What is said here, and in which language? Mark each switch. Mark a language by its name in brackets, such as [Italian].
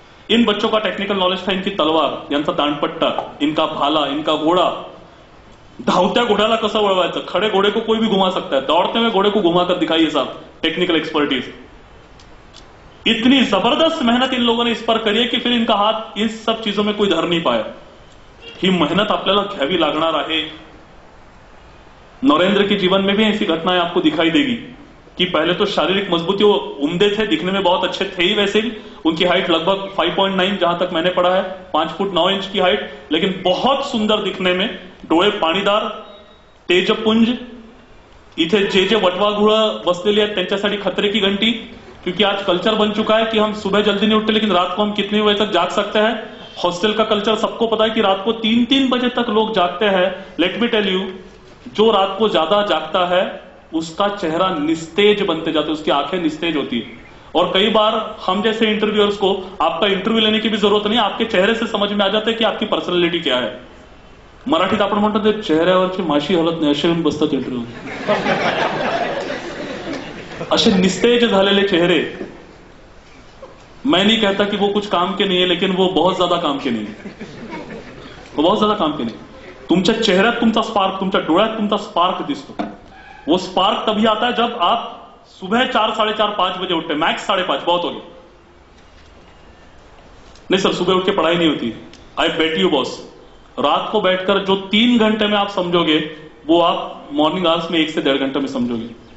[Hindi] इन बच्चों का technical knowledge था, इनकी तलवार, इनका दांडपट्टा, इनका भाला, इनका घोड़ा, [Marathi] धावत्या घोड़ाला कसा वळवायचं, [Hindi] खड़े घोड़े को कोई भी घुमा सकता है, दौड़ते हुए घोड़े को घुमाकर दिखाइए साहब, टेक्निकल एक्सपर्टीज। इतनी जबरदस्त मेहनत इन लोगों ने इस पर करी है कि फिर इनका हाथ इन सब चीजों में कोई धर नहीं पाया। [Marathi] ही मेहनत आपल्याला घ्यावी लागणार आहे। [Hindi] नरेंद्र के जीवन में भी ऐसी घटनाएं आपको दिखाई देगी कि पहले तो शारीरिक मजबूती वो उम्दे थे, दिखने में बहुत अच्छे थे ही, वैसे ही उनकी हाइट लगभग 5.9 जहां तक मैंने पढ़ा है, 5 फुट 9 इंच की हाइट, लेकिन बहुत सुंदर दिखने में, [Marathi] डोए पाणीदार, [Hindi] तेज पुंज, [Marathi] इथे जे जे वटवागुळ बसलेली आहेत त्यांच्यासाठी [Hindi] खतरे की घंटी, क्योंकि आज कल्चर बन चुका है कि हम सुबह जल्दी नहीं उठते लेकिन रात को हम कितने बजे तक जाग सकते हैं। हॉस्टल का कल्चर सबको पता है कि रात को 3-3 बजे तक लोग जागते हैं। [English] let me tell you, [Hindi] जो रात को ज्यादा जागता है उसका चेहरा निस्तेज बनते जाते, उसकी आंखें निस्तेज होती है, और कई बार हम जैसे इंटरव्यूअर्स को आपका इंटरव्यू लेने की भी जरूरत नहीं, आपके चेहरे से समझ में आ जाता है कि आपकी पर्सनैलिटी क्या है। [Marathi] मराठीत आपण म्हणतो ते चेहऱ्यावरची माशी हलत नाही असे येऊन बसतात इंटरव्यू, असे निस्तेज झालेले चेहरे। [Hindi] मैं नहीं कहता कि वो कुछ काम के नहीं है, लेकिन वो बहुत ज्यादा काम के नहीं, वो बहुत ज्यादा काम के नहीं। [Marathi] तुमच्या चेहऱ्यात तुमचा स्पार्क, तुमच्या डोळ्यात तुमचा स्पार्क दिसतो। [Hindi] वो स्पार्क तभी आता है जब आप सुबह 4, 4:30, 5 बजे उठते, मैक्स 5:30 बहुत होगी। नहीं सर, सुबह उठ के पढ़ाई नहीं होती, [English] I bet you boss, [Hindi] रात को बैठकर जो 3 घंटे में आप समझोगे वो आप मॉर्निंग आवर्स में 1 से 1.5 घंटे में समझोगे।